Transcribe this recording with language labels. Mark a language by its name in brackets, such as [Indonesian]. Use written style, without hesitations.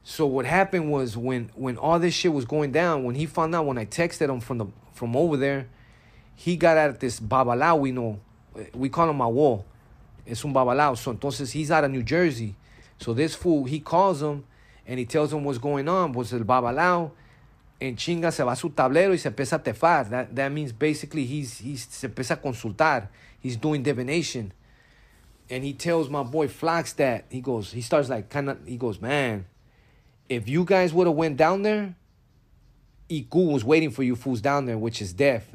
[English] So what happened was when all this shit was going down, when he found out, when I texted him from over there, he got out of this babalao, you know. We call him Awo. [Spanish] Es un babalao. [English] So entonces, he's out of New Jersey. So this fool, he calls him, and he tells him what's going on. Was el babalao. [Spanish] En chinga se va a su tablero y se empieza a tefar. [English] That means basically he's [Spanish] se empieza a consultar. [English] He's doing divination. And he tells my boy Flox that, he goes, man, if you guys would have went down there, Iku was waiting for you fools down there, which is death.